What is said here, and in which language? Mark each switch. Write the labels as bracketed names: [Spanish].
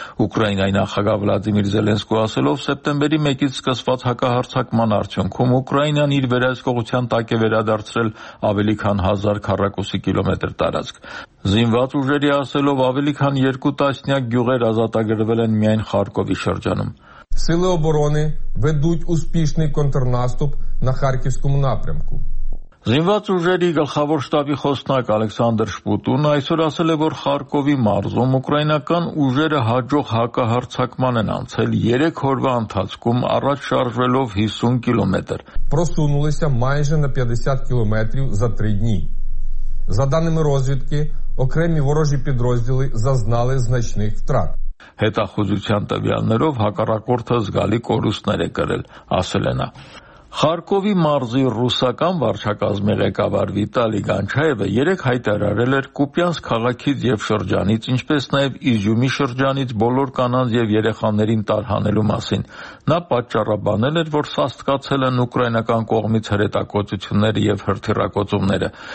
[Armenian] Ուկրաինայի նախագահ Վլադիմիր Զելենսկու ասելով, սեպտեմբերի 1-ից սկսված հակահարձակման արդյունքում Ուկրաինան իր վերահսկողության տակ է վերադարձրել ավելի քան 1000 քառակուսի կիլոմետր տարածք։ Զինված ուժերի ասելով, ավելի քան 2 տասնյակ գյուղեր ազատագրվել են միայն Խարկովի շրջանում։ [Ukrainian] Сили оборони ведуть успішний контрнаступ на Харківському напрямку. [Armenian] Զինված ուժերի գլխավոր штаբի խոսնակ Ալեքսանդր Շպուտուն այսօր ասել է, որ Խարկովի մարզում ուկրաինական ուժերը հաջող հակահարձակման են անցել 3 օրվա ընթացքում, առաջ շարժվելով 50 կիլոմետր. [Ukrainian] Просунулися майже на 50 кілометрів за 3 дні. За даними розвідки, окремі ворожі підрозділи зазнали значних втрат. [Armenian] Հետախուզության տվյալներով հակառակորդը զգալի կորուստներ է կրել, ասել է նա։ Խարկովի մարզի ռուսական վարչակազմի ղեկավար Վիտալի Գանչայևը երեք հայտարարել էր Կուպյանսկ քաղաքից և շրջանից, ինչպես նաև Իզյումի շրջանից բոլոր կանանց և երեխաներին տարհանելու մասին։ Նա պատճառաբանել էր, որ սաստկացել են ուկրաինական կողմից հրետակոծությունները և հրթիռակոծումները,